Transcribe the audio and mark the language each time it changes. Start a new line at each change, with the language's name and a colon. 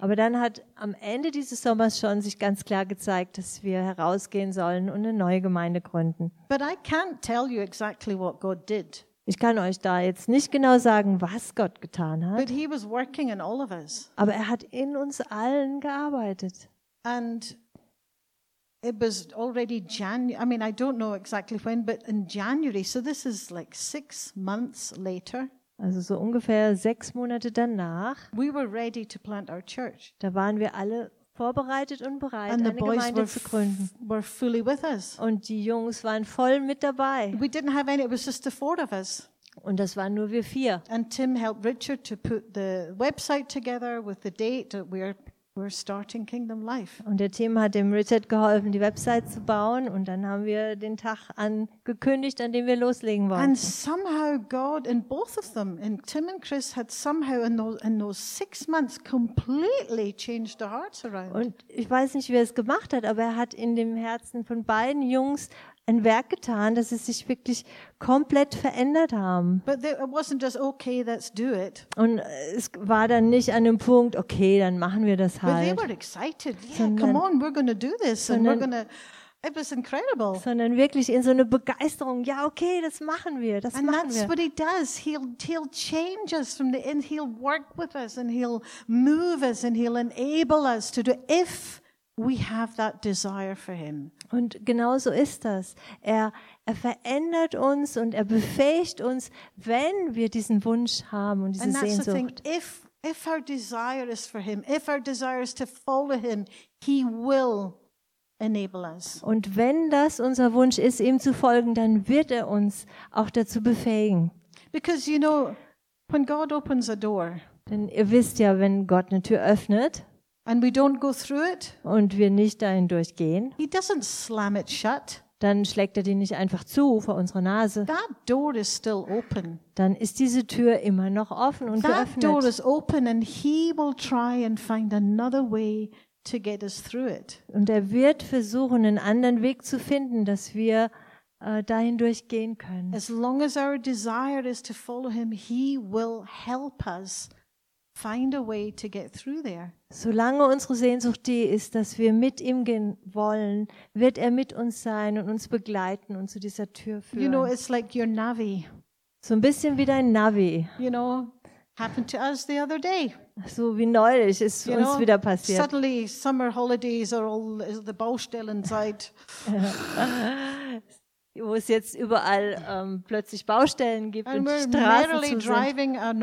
German: Aber dann hat am Ende dieses Sommers schon sich ganz klar gezeigt, dass wir herausgehen sollen und eine neue Gemeinde gründen.
English: But I can't tell you exactly what God did.
German: Ich kann euch da jetzt nicht genau sagen, was Gott getan hat.
English: But he was working in all of us.
German: Aber er hat in uns allen gearbeitet.
English: And it was already January. I mean, I don't know exactly when, but in January. So this is like 6 months later.
German: Also so ungefähr 6 Monate danach.
English: We were ready to plant our church.
German: Da waren wir alle vorbereitet und bereit, eine Gemeinde zu gründen.
English: Were fully with us.
German: Und die Jungs waren voll mit dabei.
English: We didn't have any. It was just the four of us.
German: Und das waren nur wir vier.
English: And Tim helped Richard to put the website together with the date that we're starting Kingdom Life.
German: Und der Tim hat dem Richard geholfen, die Website zu bauen, und dann haben wir den Tag angekündigt, an dem wir loslegen wollen.
English: And somehow God in both of them, in Tim and Chris, had somehow in those 6 months completely changed their hearts around.
German: Und ich weiß nicht, wie er es gemacht hat, aber er hat in dem Herzen von beiden Jungs ein Werk getan, dass sie sich wirklich komplett verändert haben.
English: But it wasn't just, okay, let's do it.
German: Und es war dann nicht an dem Punkt, okay, dann machen wir das halt.
English: But they were excited. Yeah, come on, we're going to do this. And we're going to, it was incredible.
German: Sondern wirklich in so eine Begeisterung, ja, okay, das machen wir, das
English: and
German: machen wir.
English: And that's what he does. He'll change us from the end. He'll work with us and he'll move us and he'll enable us to do it. If we have that desire for him.
German: Und genau so ist das. Er verändert uns und er befähigt uns, wenn wir diesen Wunsch haben und diese Sehnsucht.
English: And that's the thing. If our desire is for him, if our desire is to follow him, he will enable us.
German: Und wenn das unser Wunsch ist, ihm zu folgen, dann wird er uns auch dazu befähigen.
English: Because you know, when God opens a door.
German: Denn ihr wisst ja, wenn Gott eine Tür öffnet.
English: And we don't go through it.
German: Und wir nicht dahin durchgehen.
English: He doesn't slam it shut.
German: Dann schlägt er die nicht einfach zu vor unserer Nase.
English: That door is still open.
German: Dann ist diese Tür immer noch offen und
English: that
German: geöffnet.
English: Door is open and he will try and find another way to get us through it.
German: Und er wird versuchen, einen anderen Weg zu finden, dass wir dahin durchgehen können.
English: As long as our desire is to follow him, he will help us Find a way to get through there.
German: Solange unsere Sehnsucht die ist, dass wir mit ihm gehen wollen, wird er mit uns sein und uns begleiten und zu dieser Tür führen.
English: You know, it's like your Navi.
German: So ein bisschen wie dein Navi.
English: You know, happened to us the other day.
German: So wie neulich ist
English: you
German: uns
English: know,
German: wieder passiert.
English: Suddenly summer holidays are all the Baustellenzeit.
German: Wo es jetzt überall plötzlich Baustellen gibt und Straßen zu sind.